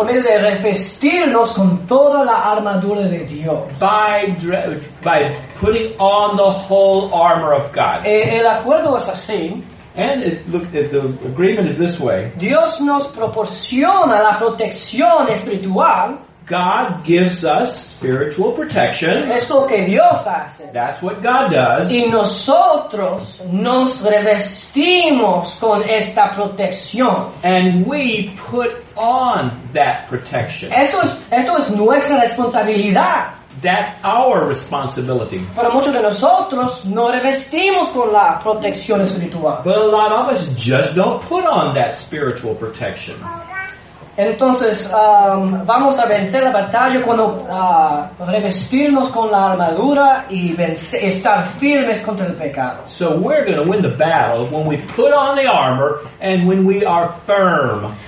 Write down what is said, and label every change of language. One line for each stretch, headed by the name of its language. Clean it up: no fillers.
Spanish: por medio de revestirnos con toda la armadura de Dios.
English: By putting on the whole armor of God.
Spanish: El acuerdo es así.
English: And the agreement is this way.
Spanish: Dios nos proporciona la protección espiritual.
English: God gives us spiritual protection.
Spanish: Es lo que Dios hace.
English: That's what God does.
Spanish: Y nosotros nos revestimos con esta protección.
English: And we put on that protection.
Spanish: Esto es nuestra responsabilidad.
English: That's our responsibility.
Spanish: Para muchos de nosotros, no revestimos con la protección espiritual.
English: But a lot of us just don't put on that spiritual protection.
Spanish: Entonces, vamos a vencer la batalla cuando revestirnos con la armadura y estar firmes contra el pecado.
English: So we're going to win the battle when we put on the armor and when we are firm